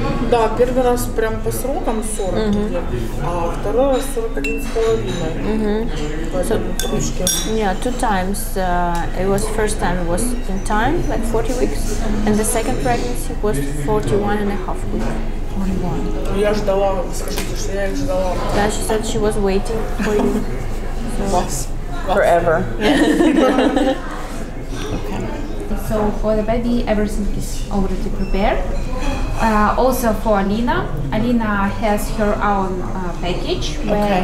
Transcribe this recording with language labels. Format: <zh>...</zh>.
<ru>Да, первый раз прям по срокам 40 а второй раз 41,5.</ru> <en>Yeah, two times. It was first time it was in time, like 40 weeks, and the second pregnancy was 41 and a half weeks. 41.</en> <ru>Я ждала, скажите, что я ждала.</ru> <en>Yeah, she said she was waiting for you. Lost. Forever. So for the baby, everything is already prepared. Also for Alina, Alina has her own package where</en>